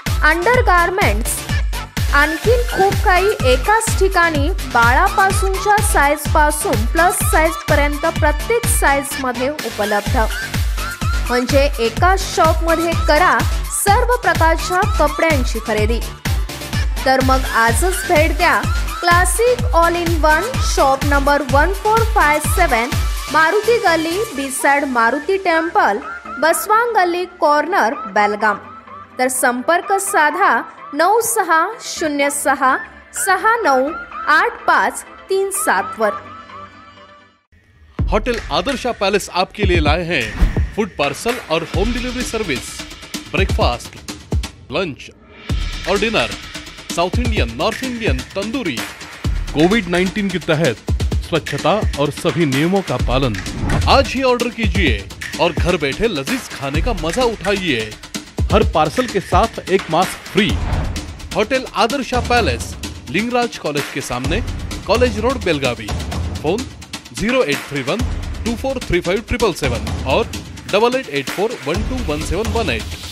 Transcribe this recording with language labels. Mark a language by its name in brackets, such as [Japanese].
[Marathi] Under garments, आणखीन खूप काही एकाच ठिकाणी बाळापासूनच्या साईज पासून प्लस साईज पर्यंत प्रत्येक साईज मध्ये उपलब्ध। म्हणजे एकाच शॉप मध्ये करा सर्व प्रकारच्या कपड्यांची खरेदी। तर मग आजच भेट द्या classic all in one shop number 1457 Maruti Gully B side Maruti temple Basavan Gully corner बेलगाम। तर संपर्क साधा 9606698537 वर। [Hindi] होटल आदर्शा पैलेस आपके लिए लाए हैं फूड पार्सल और home delivery service, breakfast, lunch और dinner, south Indian, north Indian, tandoori. COVID-19 के तहत स्वच्छता और सभी नियमों का पालन। आज ही ऑर्डर कीजिए और घर बैठे लजीज खाने का मजा उठाइए। हर पार्सल के साथ एक mask free. Hotel Adarsha palace, Lingaraj college के सामने, कॉलेज रोड, बेलगावी। फोन 0831-243577 और 8884-121718।